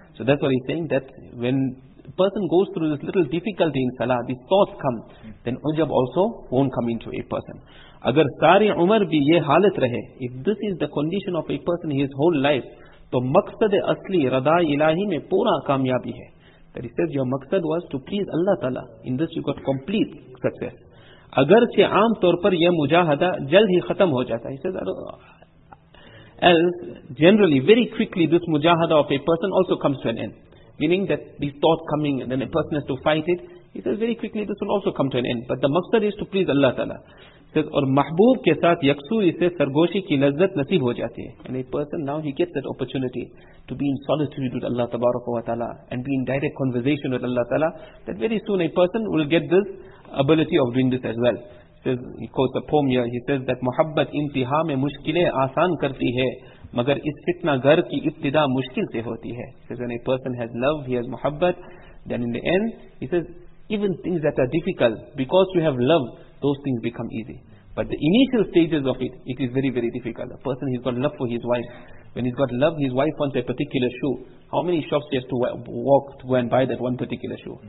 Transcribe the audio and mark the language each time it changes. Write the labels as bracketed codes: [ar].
[en] So that's what he's saying, that when a person goes through this little difficulty in salah, these thoughts come, then ujab also won't come into a person. [ur] Agar sari umar bhi ye halat rahe, [en] if this is the condition of a person his whole life, [ur] to maqsad asli rada ilahi mein pura kamyabi hai. [en] That he says, your maqsad was to please Allah Ta'ala. In this you got complete success. [ur] اگرچہ عام طور پر یہ مجاہدہ جلد ہی ختم ہو جاتا ہے. [en] He says, generally, very quickly, this mujahada of a person also comes to an end. Meaning that this thought coming, and then a person has to fight it. He says, very quickly, this will also come to an end. But the maqsad is to please Allah Ta'ala. He says, [ur] اور محبوب کے ساتھ یکسو اسے سرگوشی کی لذت نصیب ہو جاتی ہے. [en] And a person, now he gets that opportunity to be in solitude with Allah Tabaraka wa Ta'ala and be in direct conversation with Allah Ta'ala, that very soon a person will get this ability of doing this as well. Says, he quotes a poem here. He says that [ur] محبت انتہا میں مشکلیں آسان کرتی ہے مگر اس فتنہ گھر کی ابتدا مشکل سے ہوتی ہے. [en] Says, when a person has love, he has محبت, then in the end, he says, even things that are difficult, because you have love, those things become easy. But the initial stages of it is very, very difficult. A person, he's got love for his wife. When he's got love, his wife wants a particular shoe. How many shops he has to walk to go and buy that one particular shoe?